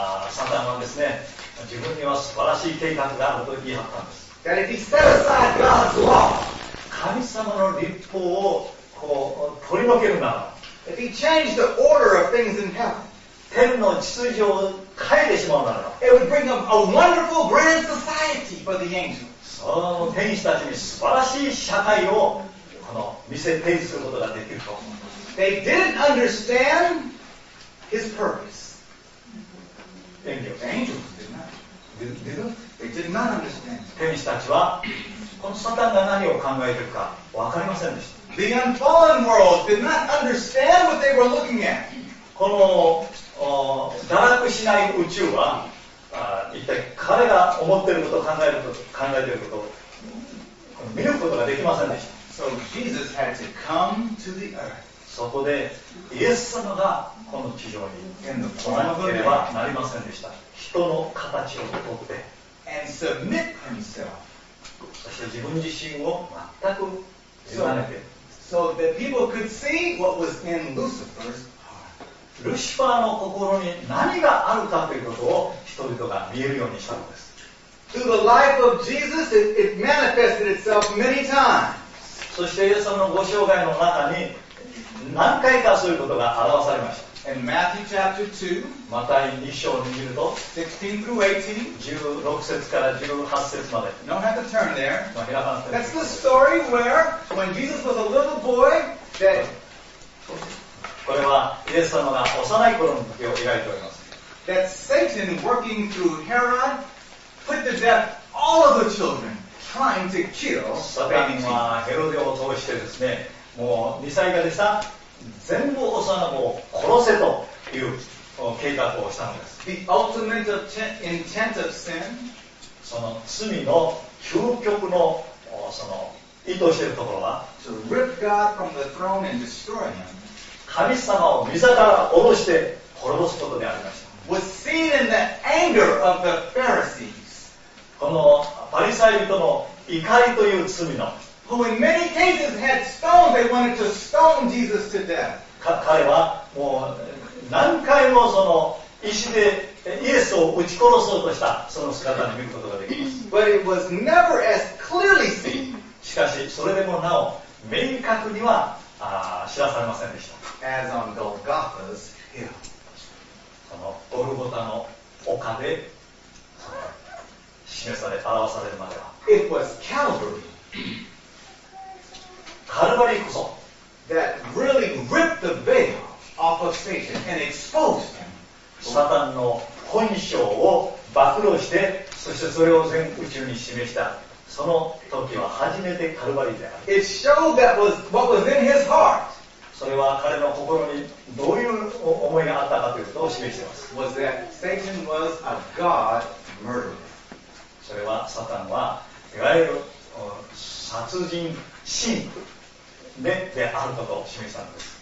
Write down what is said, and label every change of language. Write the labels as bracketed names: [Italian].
[Japanese] サタンはですね、自分には素晴らしい計画があると言い張ったんです。 [English] That if he set aside God's law, [Japanese] 神様の律法をこう取り除けるなら、 [English] if he changed the order of things in heaven, [Japanese] 天の秩序を変えてしまうなら、 [English] it would bring a wonderful grand society for the angels. [Japanese] その天使たちに素晴らしい社会をこの見せ提示することができると思います。 [English] They didn't understand his purpose. Angels. Angels did not. They did not understand. [Japanese] 天使たちはこのサタンが何を考えているか分かりませんでした。 [English] The unfallen world did not understand what they were looking at. [Japanese] この堕落しない宇宙は一体彼が思っていること考えていることを見ることができませんでした。 [English] So Jesus had to come to the earth. [Japanese] そこでイエス様がこの地上に来なければなりませんでした。人の形をとって [English] And submit himself. [Japanese] そして自分自身を全く委ねて [English] So that people could see what was in Lucifer's heart. [Japanese] ルシファーの心に何があるかということを人々が見えるようにしたのです。 [English] Through the life of Jesus, it manifested itself many times. [Japanese] そしてイエス様のご生涯の中に何回かそういうことが表されました。 [English] In Matthew chapter 2, [Japanese] マタイ2章を見ると、 [English] 16 through 18, [Japanese] 16節から18節まで。 [English] No, have to turn there. [Japanese] まあ、開かなくて。 [English] That's the story where, when Jesus was a little boy, that [Japanese] これはイエス様が幼い頃の時を描いております。 [English] That Satan working through Herod put to death all of the children trying to kill. [Japanese] サタンはヘロデを通してですね、もう2歳からさ、全部幼子を殺せという計画をしたのです。 [English] The ultimate intent of sin. [Japanese] その罪の究極のその意図しているところは、 [English] to rip God from the throne and destroy him. [Japanese] 神様を御座から下ろして滅ぼすことでありました。 [English] Was seen in the anger of the Pharisees. [Japanese] このパリサイ人の怒りという罪の、 [English] who in many cases had stoned, they wanted to stone Jesus to death. [Japanese] 彼はもう何回もその石でイエスを打ち殺そうとしたその姿を見ることができます。 [English] But it was never as clearly seen. [Japanese] しかしそれでもなお明確には知らされませんでした。 [English] As on Golgotha's hill. [Japanese] そのゴルゴタの丘で示され表されるまでは。 [English] It was Calvary. [Japanese] カルバリーこそ。 [English] That really ripped the veil off of Satan and exposed him. [Japanese] サタンの本性を暴露して、そしてそれを全宇宙に示した。その時は初めてカルバリーである。 [English] It showed that was what was in his heart. [Japanese] それは彼の心にどういう思いがあったかということを示しています。 [English] Was that Satan was a God murderer. [Japanese] それはサタンはいわゆる殺人神であることを示したんです。